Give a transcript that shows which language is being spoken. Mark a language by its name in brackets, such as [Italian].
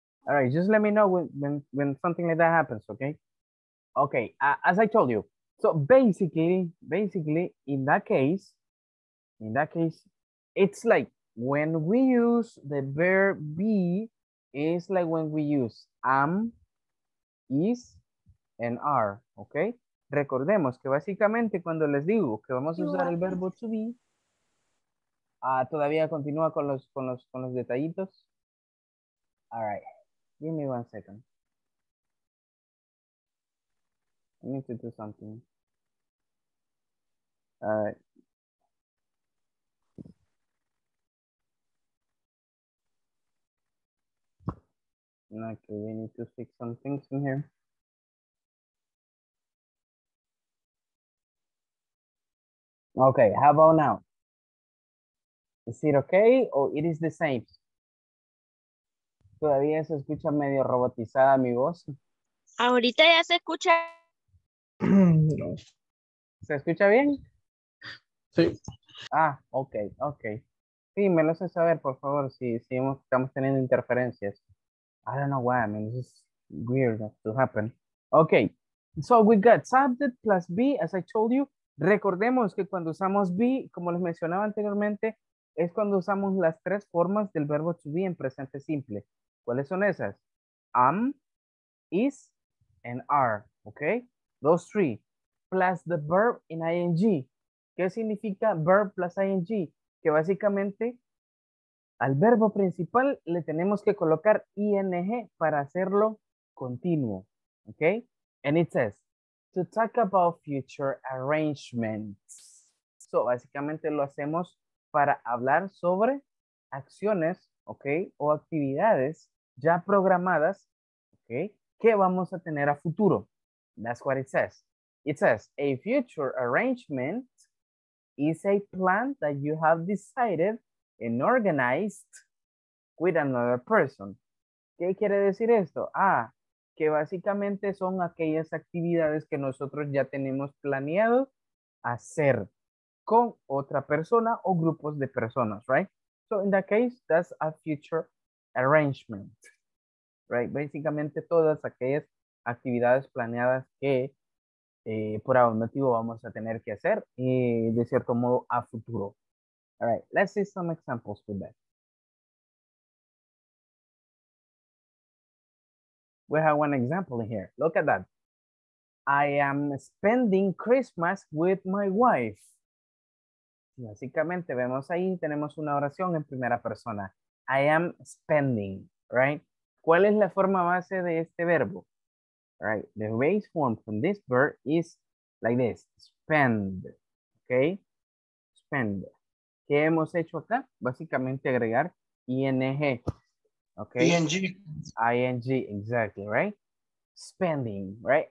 [English] All right, just let me know when something like that happens, okay? Okay, as I told you, so basically, in that case, it's like when we use the verb be, it's like when we use am, is, and are, okay? [Spanish] Recordemos que básicamente cuando les digo que vamos a usar el verbo to be, todavía continúa con los detallitos. [English] All right, give me one second. I need to do something. All right. Okay, we need to fix some things in here. Okay, how about now? Is it okay or it is the same? [Spanish] ¿Todavía se escucha medio robotizada mi voz? Ahorita ya se escucha. ¿Se escucha bien? Sí. Ah, okay, okay. Sí, me lo hace saber, por favor, si estamos teniendo interferencias. [English] I don't know why, I mean, this is weird to happen. Okay, so we got subject plus be, as I told you. [Spanish] Recordemos que cuando usamos be, como les mencionaba anteriormente, es cuando usamos las tres formas del verbo to be en presente simple. ¿Cuáles son esas? Am, is, and are, okay? [English] Those three, plus the verb in ing. [Spanish] ¿Qué significa [English] verb plus ing? [Spanish] Que básicamente, al verbo principal le tenemos que colocar ing para hacerlo continuo, okay? [English] And it says, to talk about future arrangements. [Spanish] So, básicamente lo hacemos para hablar sobre acciones, okay, o actividades ya programadas, okay, que vamos a tener a futuro. [English] That's what it says. It says, a future arrangement is a plan that you have decided and organized with another person. [Spanish] ¿Qué quiere decir esto? Ah, que básicamente son aquellas actividades que nosotros ya tenemos planeado hacer con otra persona o grupos de personas, right? [English] So in that case, that's a future arrangement, right? [Spanish] Básicamente todas aquellas actividades planeadas que por algún motivo vamos a tener que hacer de cierto modo a futuro. [English] All right, let's see some examples with that. We have one example here. Look at that. I am spending Christmas with my wife. [Spanish] Básicamente, vemos ahí, tenemos una oración en primera persona. [English] I am spending, right? [Spanish] ¿Cuál es la forma base de este verbo? [English] All right, the base form from this verb is like this. [Spanish] Spend, okay? Spend. ¿Qué hemos hecho acá? Básicamente agregar ing, okay? [English] ING. ING, exactly, right? Spending, right?